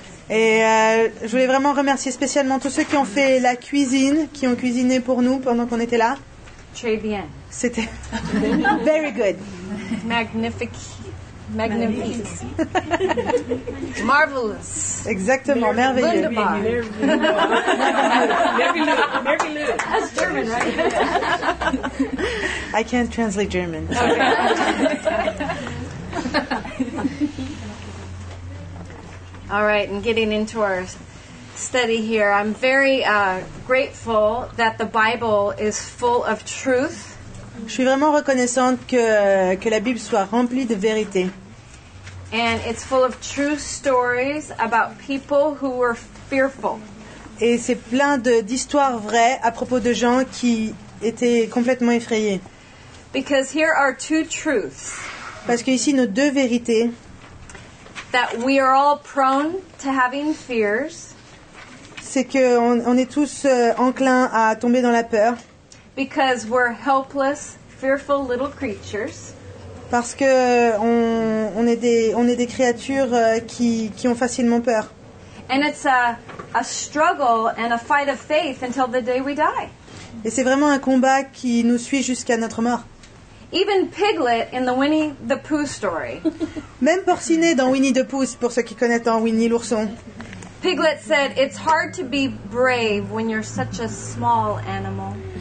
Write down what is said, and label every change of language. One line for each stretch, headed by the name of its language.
French: Et je voulais vraiment remercier spécialement tous ceux qui ont fait la cuisine, qui ont cuisiné pour nous pendant qu'on était là. Très bien. C'était
English: very good.
French: Magnifique. Magnifique.
English: Marvelous.
French: Exactement, merveilleux. Merveilleux. Merveilleux.
English: That's German, right? I can't translate German. Okay. All right, and getting into our study here, I'm very grateful that the Bible is full of truth.
French: Je suis vraiment reconnaissante que la Bible soit remplie de vérité.
English: And it's full of true stories about people who were fearful.
French: Et c'est plein d'histoires vraies à propos de gens qui étaient complètement effrayés.
English: Because here are two truths.
French: Parce que ici nos deux vérités.
English: That we are all prone to having fears.
French: C'est que on est tous enclins à tomber dans la peur.
English: Because we're helpless, fearful little creatures.
French: Parce que on est des créatures qui ont facilement peur.
English: And it's a struggle and a fight of faith until the day we die.
French: Et c'est vraiment un combat qui nous suit jusqu'à notre mort.
English: Even Piglet in the Winnie the Pooh story.
French: Même Porciné dans Winnie the Pooh, pour ceux qui connaissent Winnie l'ourson.
English: Piglet said, "It's hard to be brave when you're such a small animal."